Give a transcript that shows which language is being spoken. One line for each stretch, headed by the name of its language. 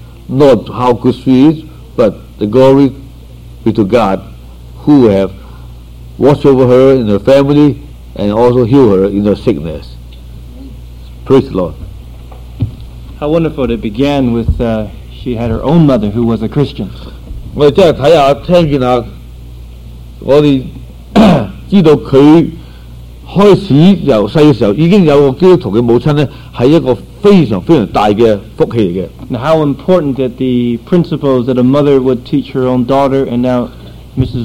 English: Not how good she is, but the glory be to God, who have watched over her in her family and also healed her in her sickness. Praise the Lord. How wonderful it began with She had her own mother who was a Christian.
Chinese: 我們真的看一下,聽見了,我們知道她開始由小時候已經有一個基督徒的母親,是一個非常非常大的福氣來的。
English: Now how important that the principles that a mother would teach her own daughter, and now Mrs.